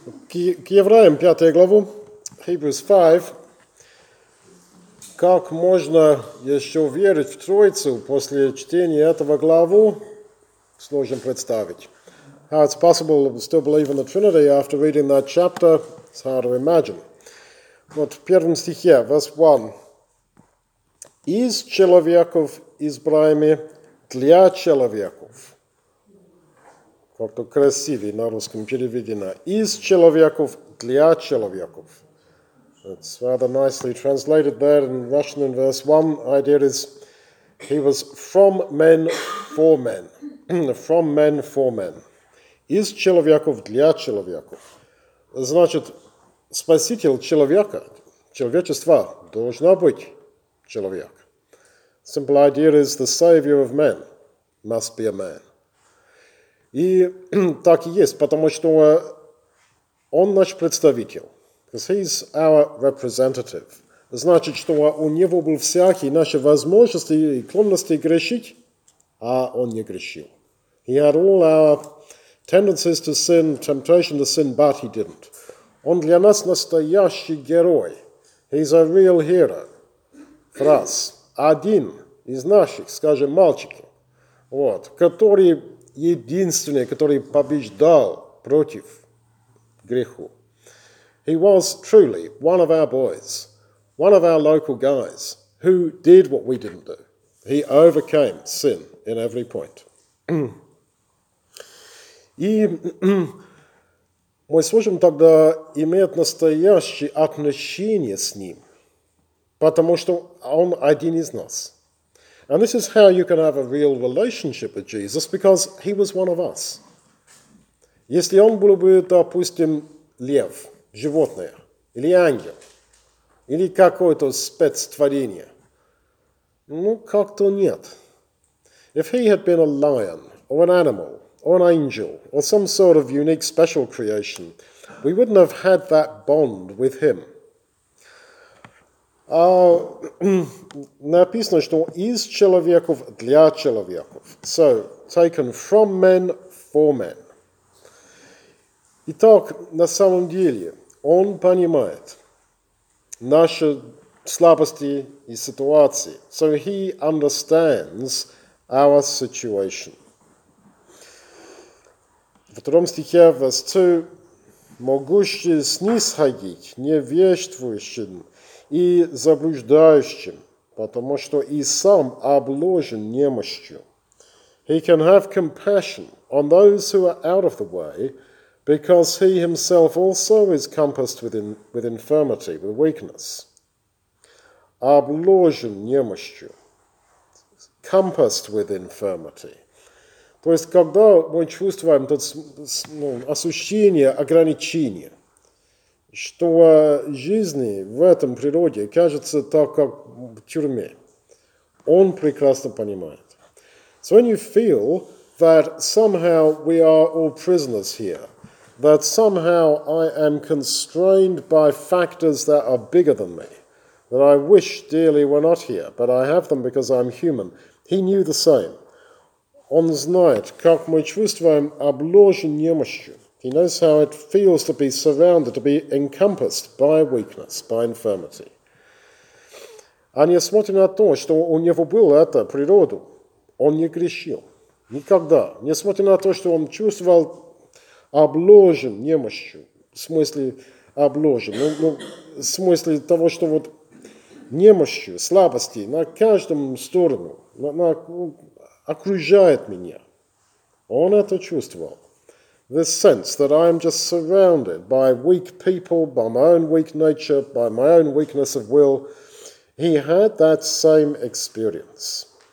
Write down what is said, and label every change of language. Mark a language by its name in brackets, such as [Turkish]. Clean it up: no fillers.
[Russian] К евреям, 5 главу, [English] Hebrews 5, [Russian] как можно еще верить в Троицу после чтения этого главу, сложно представить. [English] How it's possible to still believe in the Trinity after reading that chapter, it's hard to imagine. [Russian] Вот в первом стихе, [English] verse 1. [Russian] Из человеков избраемы для человеков. Как-то красивее на русском переведено. Из человеков для человеков. [English] It's rather nicely translated there in Russian in verse 1. The idea is, he was from men for men. From men for men. [Russian] Из человеков для человеков. Значит, спаситель человека, человечества, должно быть человек. [English] Simple idea is, the savior of men must be a man. [Russian] И так и есть, потому что он наш представитель. [English] Because he's our representative. [Russian] Значит, что у него были всякие наши возможности и склонности грешить, а он не грешил. [English] He had all our tendencies to sin, temptation to sin, but he didn't. [Russian] Он для нас настоящий герой. [English] He's a real hero for us. [Russian] Один из наших, скажем, мальчиков, вот, который... Единственный, который побеждал против греху. [English] He was truly one of our boys, one of our local guys, who did what we didn't do. He overcame sin in every point. [Russian] И мы сможем тогда иметь настоящие отношения с ним, потому что он один из нас. [English] And this is how you can have a real relationship with Jesus, because he was one of us. [Russian] Если он был бы, допустим, лев, животное, или ангел, или какое-то спецтворение, ну, как-то нет. [English] If he had been a lion, or an animal, or an angel, or some sort of unique special creation, we wouldn't have had that bond with him. [Russian] Написано, что из человеков для человеков. [English] So, taken from men for men. [Russian] Итак, на самом деле, он понимает наши слабости и ситуации. [English] So, he understands our situation. [Russian] В втором стихе, [English] verse 2, [Russian] могущий снисходить невежествующим и заблуждающим, потому что и сам обложен немощью. [English] He can have compassion on those who are out of the way, because he himself also is compassed with infirmity, with weakness. [Russian] Обложен немощью. [English] Compassed with infirmity. [Russian] То есть, когда мы чувствуем тут, ну, осущение, ограничение, что жизни в этом природе кажется так, как в тюрьме. Он прекрасно понимает. [English] So when you feel that somehow we are all prisoners here, that somehow I am constrained by factors that are bigger than me, that I wish dearly were not here, but I have them because I'm human, he knew the same. [Russian] Он знает, как мы чувствуем обложен немощью. [English] He knows how it feels to be surrounded, to be encompassed by weakness, by infirmity. [Russian] А несмотря на то, что у него было это природу, он не грешил. Никогда. Несмотря на то, что он чувствовал обложен немощью, в смысле обложен, ну, в смысле того, что вот немощью, слабости на каждом сторону, на, окружает меня. Он это чувствовал. [English] This sense that I am just surrounded by weak people, by my own weak nature, by my own weakness of will, he had that same experience.